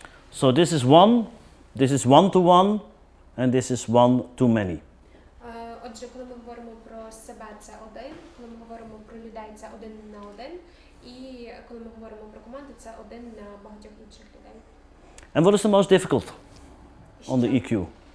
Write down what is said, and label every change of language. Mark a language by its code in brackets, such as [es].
[en] So this is one, this is one-to-one, and this is one-to-many. [uk] Отже, коли ми говоримо про себе, це один, коли ми говоримо про людей, це один на один, і коли ми говоримо про команду, це один на багатьох інших людей. [en] And what is the most difficult on the EQ?